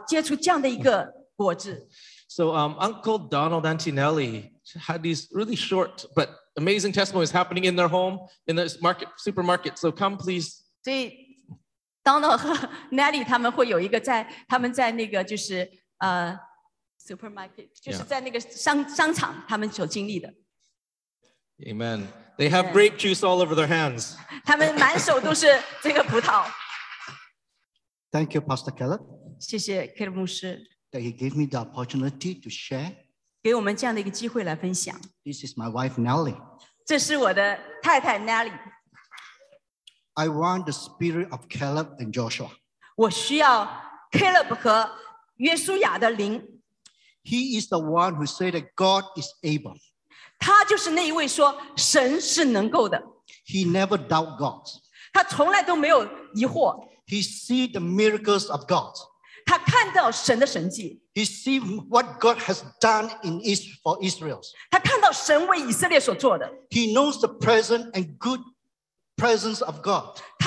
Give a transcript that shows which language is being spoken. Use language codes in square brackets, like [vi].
[zh] 我就是想说，接下来我们来听有些人就是在这个地方以外，他们在家中，他们怎么样来接触这样的一个果子。So [en] Uncle Donald Antonelli had these really short but amazing testimonies happening in their home in this market supermarket. So come, please. [zh] 所以，Donald和Nelly他们会有一个在他们在那个就是supermarket 就是在那个商场他们所经历的。 [en] Amen. They have grape juice all over their hands. Thank you, Pastor Caleb. [zh] 谢谢Caleb牧师, [en] that he gave me the opportunity to share. This is my wife, Nelly. [zh] 这是我的太太Nelly. [en] I want the spirit of Caleb and Joshua. [zh] 我需要Caleb和约书亚的灵。 [en] He is the one who said that God is able. [zh] 他就是那一位说神是能够的。He [en] never doubt God. [zh] 他从来都没有疑惑。He [en] see the miracles of God. [zh] 他看到神的神迹。He [en] see what God has done in for Israel. [zh] 他看到神为以色列所做的。He [en] knows the present and good presence of God.